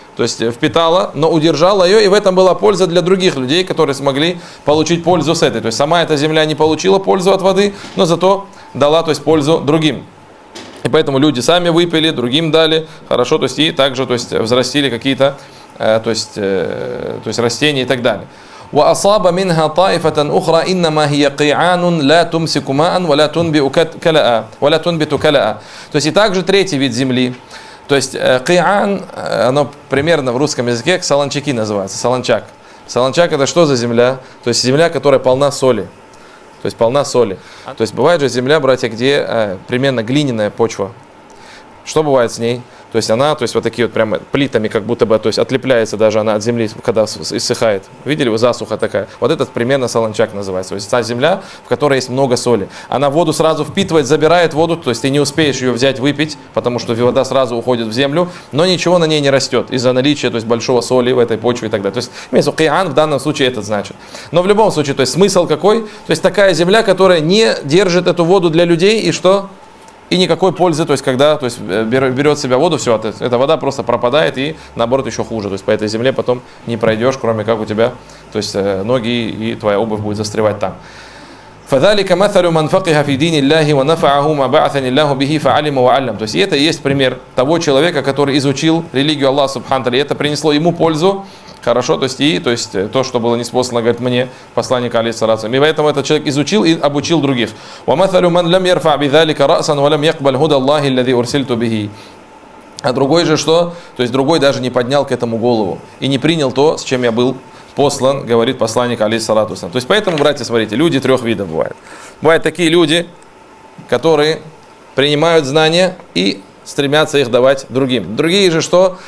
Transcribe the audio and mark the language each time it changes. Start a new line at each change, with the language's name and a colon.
Russian: То есть впитала, но удержала ее, и в этом была польза для других людей, которые смогли получить пользу с этой. То есть сама эта земля не получила пользу от воды, но зато дала, то есть, пользу другим. И поэтому люди сами выпили, другим дали, хорошо, то есть и также, то есть, взрастили какие-то, то есть растения и так далее.
Arabic: وأصاب منها طائفة أخرى إنما هي قيعان لا تمسك ماء ولا تنبت كلأ ولا تنبت كلأ.
Russian: То есть и также третий вид земли. То есть кыан, оно примерно в русском языке саланчаки называется, саланчак. Саланчак — это что за земля? То есть земля, которая полна соли. То есть полна соли. То есть бывает же земля, братья, где примерно глиняная почва. Что бывает с ней? То есть она, то есть вот такие вот прямо плитами как будто бы, то есть отлепляется даже она от земли, когда иссыхает. Видели вы, засуха такая? Вот этот примерно саланчак называется. То есть та земля, в которой есть много соли. Она воду сразу впитывает, забирает воду, то есть ты не успеешь ее взять, выпить, потому что вода сразу уходит в землю, но ничего на ней не растет из-за наличия, то есть большого соли в этой почве и так далее. То есть имеется в виду, кыан в данном случае это значит. Но в любом случае, то есть смысл какой? То есть такая земля, которая не держит эту воду для людей, и что? И никакой пользы, то есть когда, то есть берет в себя воду, все, эта вода просто пропадает и наоборот еще хуже. То есть по этой земле потом не пройдешь, кроме как у тебя, то есть ноги и твоя обувь будет застревать там.
Arabic: فذلك مثل من فقه في دين الله ونفعه ما بعثني الله به فعلم وعلم.
Russian: То есть это и есть пример того человека, который изучил религию Аллаха Субхану Тааля, и это принесло ему пользу, хорошо, то есть то, что было ниспослано, говорит, мне посланник алейхиссалям. И поэтому этот человек изучил и обучил других.
Arabic: ومثل من لم يرفع بذلك رأسا ولم يقبل هدى الله الذي أرسلت به.
Russian: А другой же что? То есть другой даже не поднял к этому голову и не принял то, с чем я был послан, говорит посланник алейхиссалату вассалям. То есть поэтому, братья, смотрите, люди трех видов бывают. Бывают такие люди, которые принимают знания и стремятся их давать другим. Другие же что?